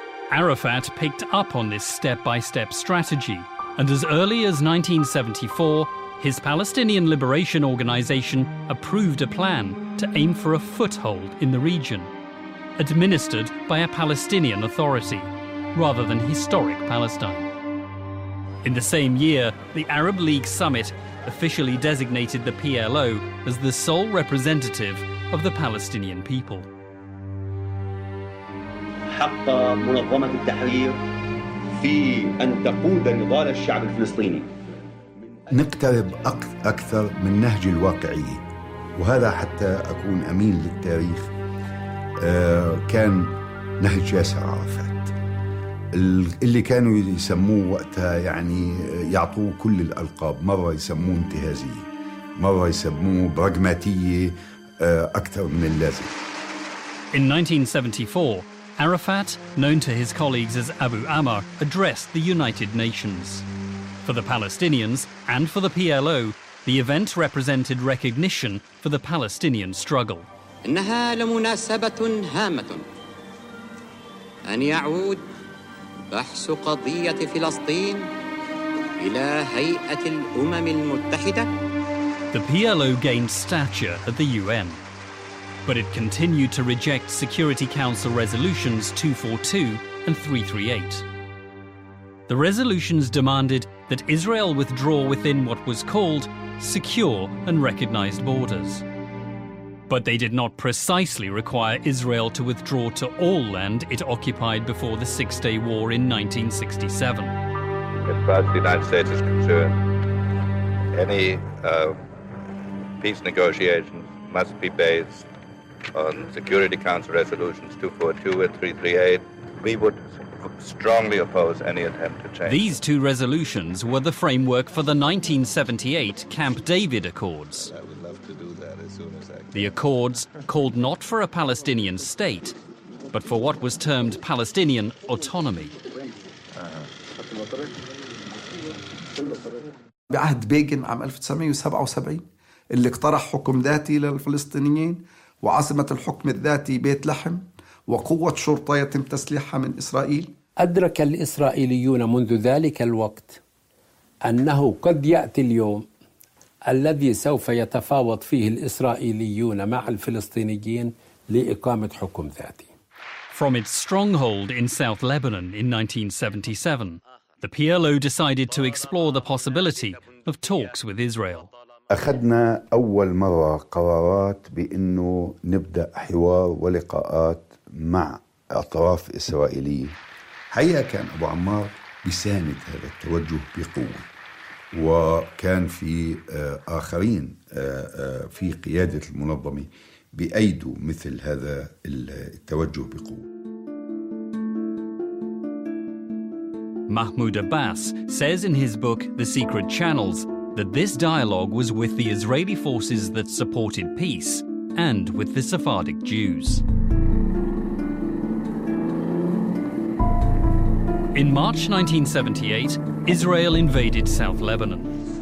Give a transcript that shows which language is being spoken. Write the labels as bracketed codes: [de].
[en] Arafat picked up on this step-by-step strategy, and as early as 1974, his Palestinian Liberation Organization approved a plan to aim for a foothold in the region, administered by a Palestinian authority, rather than historic Palestine. In the same year, the Arab League summit officially designated the PLO as the sole representative of the Palestinian people. [ar] حق منظمة التحرير في أن تقود نضال الشعب الفلسطيني. نقترب أكثر من نهج الواقعية، وهذا حتى أكون أمين للتاريخ، كان نهج ياسر عرفات اللي كانوا يسموه وقتها، يعني يعطوه كل الألقاب، مرة يسموه انتهازية، مرة يسموه براغماتية أكثر من اللازم. [en] In 1974, Arafat, known to his colleagues as Abu Ammar, addressed the United Nations. For the Palestinians and for the PLO, the event represented recognition for the Palestinian struggle. [ar] إنها لمناسبة هامة أن يعود بحث قضية فلسطين إلى هيئة الأمم المتحدة. [en] The PLO gained stature at the UN, but it continued to reject Security Council resolutions 242 and 338. The resolutions demanded that Israel withdraw within what was called secure and recognized borders. But they did not precisely require Israel to withdraw to all land it occupied before the Six-Day War in 1967. As far as the United States is concerned, any peace negotiations must be based on Security Council resolutions 242 and 338. We would strongly oppose any attempt to change. These two resolutions were the framework for the 1978 Camp David Accords. The Accords called not for a Palestinian state, but for what was termed Palestinian autonomy. [ar] بعهد بيغن عام 1977 اللي اقترح حكم ذاتي للفلسطينيين وعاصمة الحكم الذاتي بيت لحم وقوة شرطة يتم تسليحها من إسرائيل. أدرك الإسرائيليون منذ ذلك الوقت أنه قد يأتي اليوم الذي سوف يتفاوض فيه الإسرائيليون مع الفلسطينيين لإقامة حكم ذاتي. [en] From its stronghold in South Lebanon in 1977, the PLO decided to explore the possibility of talks with Israel. [ar] أخذنا أول مرة قرارات بأنه نبدأ حوار ولقاءات مع أطراف إسرائيلية. حقيقة كان أبو عمار بيساند هذا التوجه بقوة، وكان في آخرين في قيادة المنظمة بأيدوا مثل هذا التوجه بقوة. [en] Mahmoud Abbas says in his book The Secret Channels that this dialogue was with the Israeli forces that supported peace and with the Sephardic Jews. In March 1978, Israel invaded South Lebanon.